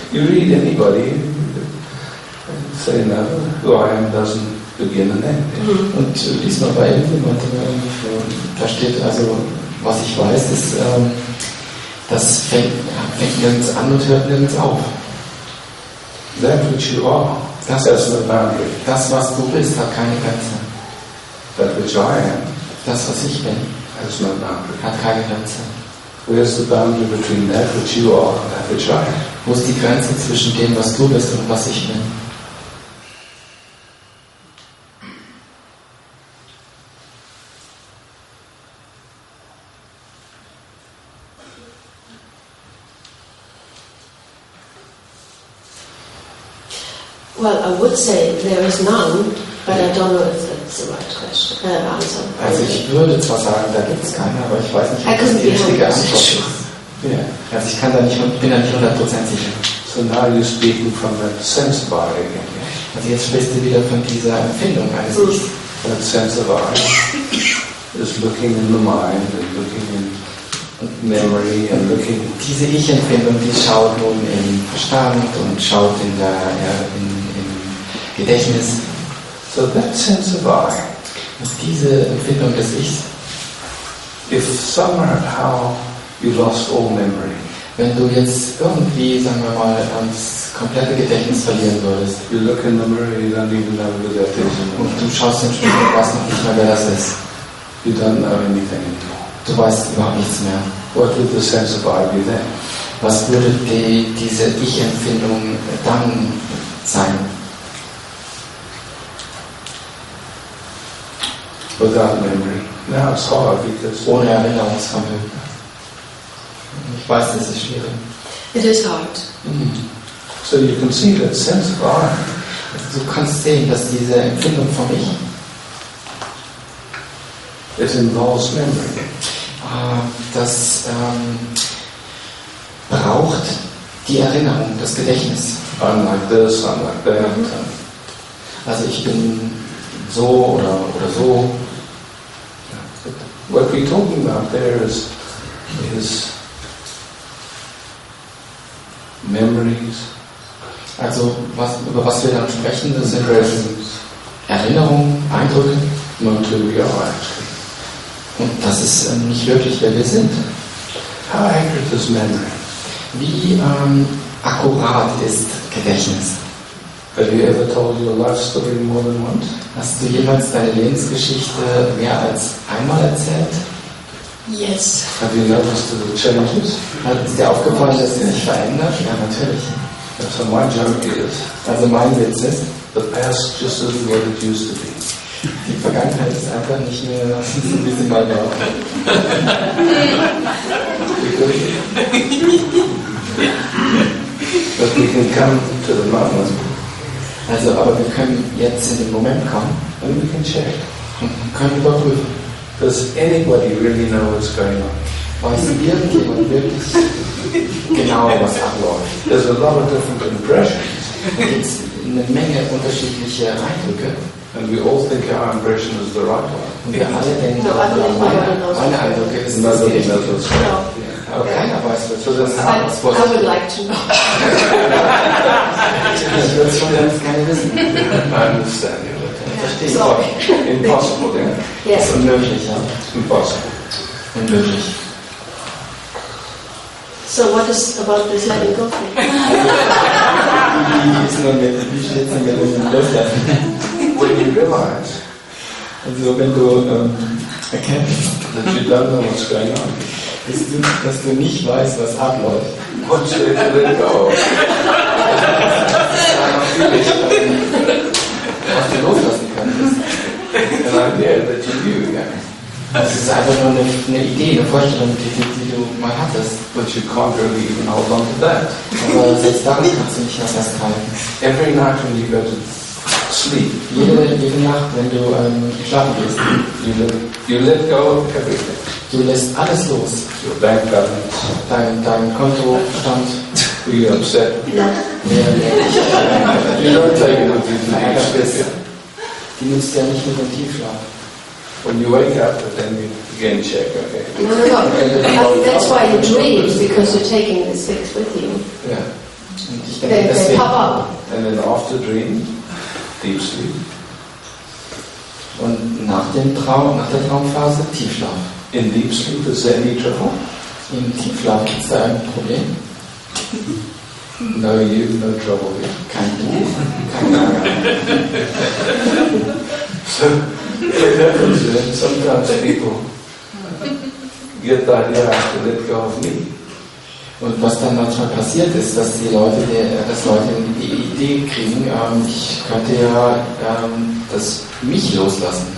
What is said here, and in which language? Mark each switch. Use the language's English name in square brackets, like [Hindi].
[English] You read anybody say no, who I am doesn't. [German] Und lies mal bei irgendjemandem, da steht also, was ich weiß, ist, das fängt nirgends an und hört nirgends auf. [English] That which you are, [German] das, [English] has no boundary. [German] Das, was du bist, hat keine Grenze. [English] That which I am, [German] das, was ich bin, [English] has no boundary. [German] Hat keine Grenze. [English] Where is the boundary between that which you are and that which I am? [German] Wo ist die Grenze zwischen dem, was du bist und was ich bin? [English] Well, I would say there is none, but I don't know if that's the right question, answer. [German] Also ich würde zwar sagen, da gibt es keine, aber ich weiß nicht, ob das die richtige Antwort ist. [English] Yeah. [German] Also ich kann da nicht, bin da nicht 100% sicher. [English] So now you're speaking from the sense of I again. [German] Also jetzt sprichst du wieder von dieser Empfindung eines Ichs. [English] The sense of I is looking in the mind and looking in memory and looking. [German] Diese Ich-Empfindung, die schaut nun im Verstand und schaut in der im Gedächtnis. [English] So that sense of I. [German] Und diese Empfindung des Ichs. [English] If somehow you lost all memory. [German] Wenn du jetzt irgendwie, sagen wir mal, ans komplette Gedächtnis verlieren würdest. [English] You look in the mirror, you don't even know who that is. [German] Und du schaust im Spiegel und weißt noch nicht mehr, wer das ist. [English] You don't know anything anymore. [German] Du weißt überhaupt nichts mehr. [English] What would the sense of I be then? [German] Was würde diese Ich-Empfindung dann sein? [English] Without memory. Now it's hard because [German] ohne Erinnerungsvermögen. Ich weiß, das ist schwierig. [English] It is hard. So you can see that sense of I. [German] Also du kannst sehen, dass diese Empfindung von Ich. [English] It involves memory. [German] Das braucht die Erinnerung, das Gedächtnis. [English] I'm like this, I'm like that. [German] Also ich bin so oder so. [English] What we're talking about there is memories. [German] Also über was wir dann sprechen, das sind Erinnerungen, Eindrücke. [English] Not who we are actually. [German] Und das ist nicht wirklich, wer wir sind. [English] How accurate is memory? [German] Wie akkurat ist Gedächtnis? [English] Have you ever told your life story more than once? [German] Hast du jemals deine Lebensgeschichte mehr als einmal erzählt? [English] Yes. Have you noticed the challenges? [German] Hat es dir aufgefallen, dass sie sich verändert? Ja, natürlich. [English] So my joke is. [German] Also mein Witz ist. [English] The past just isn't what it used to be. [German] Die Vergangenheit ist einfach nicht mehr so, wie sie mal war. [English] But we can come to the moment. [German] Also, aber wir können jetzt in den Moment kommen und wir können check. Können überprüfen. [English] Does anybody really know what's going on? [German] Weiß irgendjemand wirklich genau, was abläuft? [English] There's a lot of different impressions. [German] Eine Menge unterschiedliche Eindrücke. [English] And we all think our impression is the right one. [German] Und wir alle denken, meine Eindrücke ist das richtige. [English] Nobody knows what's going on. I would like to know. [German] Das wollen wir uns gerne wissen. [English] I understand you. [German] Verstehe. [English] So, impossible, [German] ja. [English] Yes. [German] Unmöglich, ja. [English] Impossible. [German] Unmöglich. [English] So, what is about this letting go thing? [German] Wie ist man mit dem Schlitzen mit dem Löffel? [English] When you realize, [German] also wenn du erkennst, [English] that you don't know what's going on, [German] dass du nicht weißt, was abläuft. [English] What should I let go? [German] Was du loslassen könntest. [English] An idea that you knew, yeah. [German] Das ist einfach nur eine Idee, eine Vorstellung, die du mal hattest. [English] But you can't really even hold on to that. [German] Aber selbst daran kannst du nicht mehr festhalten. [English] Every night when you go to sleep. [German] Jede Nacht, wenn du schlafen gehst, [English] you let go of everything. [German] Du lässt alles los. [English] Your bank balance. [German] Dein Kontostand. [English] Were you upset? Yeah. You don't take it with you to deep sleep. [German] Die nutzt ja nicht mit dem Tiefschlaf. [English] When you wake up, then you again check, okay? No. That's why you dream, because you're taking these things with you. Yeah. [German] Und ich denke, [English] they pop up. And then after dream, deep sleep. [German] Und nach dem Traum, nach der Traumphase, Tiefschlaf. [English] In deep sleep, is there any trouble? In deep sleep, is there any problem? No, you, no trouble. Yeah. [German] Kein du. [English] So, the difference is, sometimes people get the idea, I have to let go of me. [German] Und was dann manchmal passiert ist, dass Leute die Idee kriegen, ich könnte ja das mich loslassen.